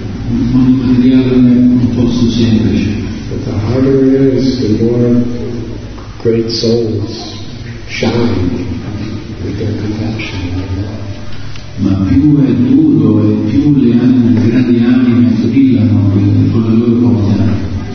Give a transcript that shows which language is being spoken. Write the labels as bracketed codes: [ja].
[it] Un mondo materiale non è un posto semplice. [en] But the harder it is, the more great souls shine with their compassion. [it] Ma più è duro e più le anime, le grandi anime brillano con la loro forza.